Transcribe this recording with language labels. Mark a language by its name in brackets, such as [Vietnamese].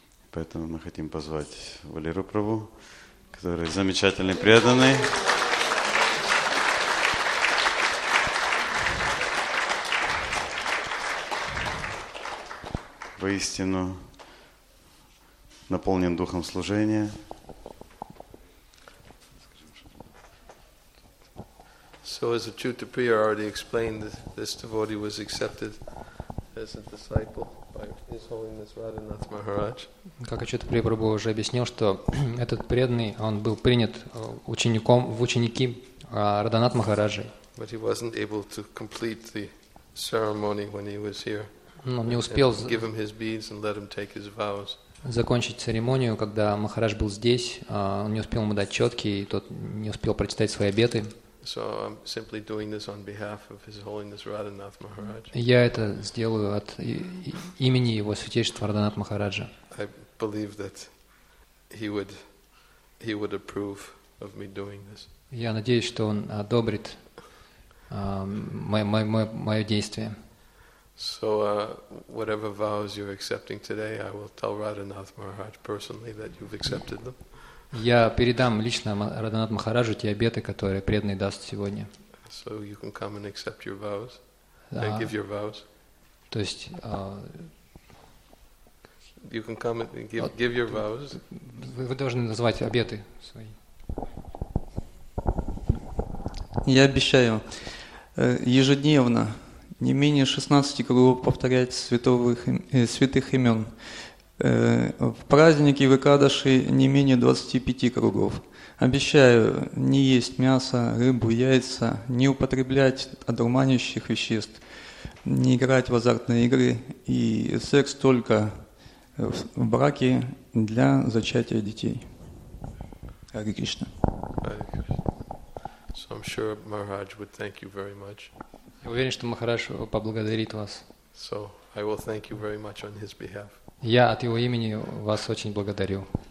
[Russian] Поэтому мы хотим позвать Валеру Прабу, который замечательный преданный. Воистину наполнен духом служения. [English] So as the Chuta Priya already explained, this devotee was accepted as a disciple by His Holiness Radhanath Maharaj. [Russian] Как Чуто Прия Прабху уже объяснил, что этот преданный, он был принят учеником в ученики Радханат Махараджи. [English] But he wasn't able to complete the ceremony when he was here. [Russian] Он не успел [English] give him his beads and let him take his vows. [Russian] Закончить церемонию, когда Махарадж был здесь, он не успел ему дать четки, и тот не успел прочитать свои обеты. [English] So I'm simply doing this on behalf of His Holiness Radhanath Maharaj. [Russian] Я это сделаю от имени его святейшества Радханат Махараджа. [English] I believe that he would approve of me doing this. [Russian] Я надеюсь, что он одобрит моё действие. [English] So whatever vows you're accepting today, I will tell Radhanath Maharaj personally that you've accepted them. [Russian] Я передам лично Радханату Махараджу те обеты, которые преданный даст сегодня. [English] So you can come and accept your vows. And give your vows. [Russian] То есть [English] you can come and give your vows. [Russian] Вы должны назвать обеты свои. Я обещаю ежедневно не менее 16 кругов повторять святых имен. В праздники Экадаши не менее 25 кругов. Обещаю не есть мясо, рыбу, яйца, не употреблять одурманивающих веществ, не играть в азартные игры и секс только в браке для зачатия детей. Хари Кришна. [English] So I'm sure Maharaj would thank you very much. [Russian] Я уверен, что Махарадж поблагодарит вас. [English] So I will thank you very much on his behalf. [Russian] Я от его имени вас очень благодарю.